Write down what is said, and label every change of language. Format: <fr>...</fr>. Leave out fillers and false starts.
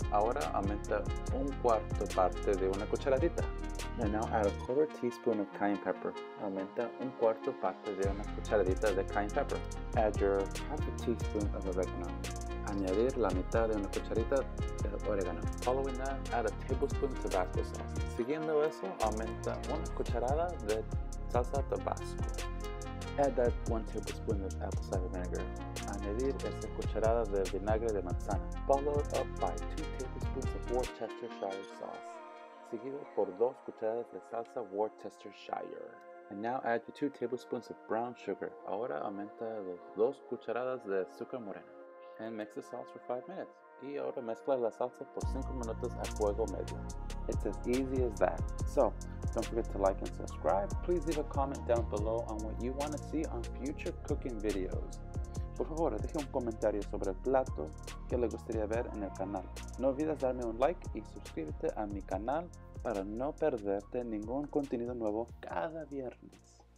<es>Ahora aumenta un cuarto parte de una cucharadita.</es> <en>And now add a 1/4 teaspoon of cayenne pepper.</en> <es>Aumenta un cuarto parte de una cucharadita de cayenne pepper.</es> <en>Add your 1/2 teaspoon of oregano.</en> <es>Añadir la mitad de una cucharita de oregano.</es> <en>Following that, add a 1 tablespoon of Tobasco sauce.</en> <es>Siguiendo eso, aumenta una cucharada de salsa Tabasco.</es> <en>Add that 1 tablespoon of apple cider vinegar.</en> <es>Añadir esa cucharada de vinagre de manzana.</es> <en>Followed up by 2 tablespoons of Worcestershire sauce.</en> <es>Seguido por 2 cucharadas de salsa Worcestershire.</es> <en>And now add your 2 tablespoons of brown sugar.</en> <es>Ahora aumenta los 2 cucharadas de azúcar moreno.</es> <en>And mix the sauce for 5 minutes.</en> <es>Y ahora mezcla la salsa por 5 minutos a fuego medio.</es> <en>It's as easy as that. So, don't forget to like and subscribe. Please leave a comment down below on what you want to see on future cooking videos.</en> <es>Por favor, deje un comentario sobre el plato que le gustaría ver en el canal. No olvides darme un like y suscríbete a mi canal para no perderte ningún contenido nuevo cada viernes.</es>